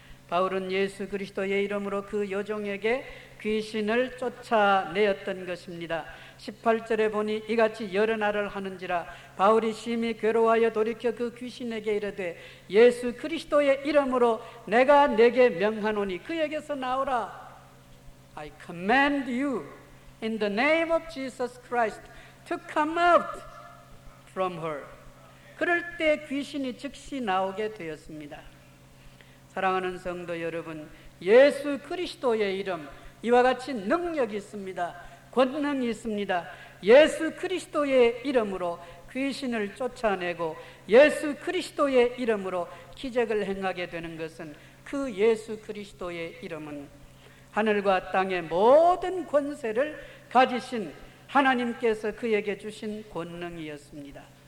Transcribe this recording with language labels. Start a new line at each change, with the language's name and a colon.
Korean: 바울은 예수 그리스도의 이름으로 그 여종에게 귀신을 쫓아내었던 것입니다. 18절에 보니 이같이 여러 날을 하는지라 바울이 심히 괴로워하여 돌이켜 그 귀신에게 이르되 예수 그리스도의 이름으로 내가 네게 명하노니 그에게서 나오라.
English: I command you in the name of Jesus Christ to come out from her.
Korean: 그럴 때 귀신이 즉시 나오게 되었습니다. 사랑하는 성도 여러분, 예수 그리스도의 이름 이와 같이 능력이 있습니다. 권능이 있습니다. 예수 그리스도의 이름으로 귀신을 쫓아내고 예수 그리스도의 이름으로 기적을 행하게 되는 것은 그 예수 그리스도의 이름은 하늘과 땅의 모든 권세를 가지신 하나님께서 그에게 주신 권능이었습니다.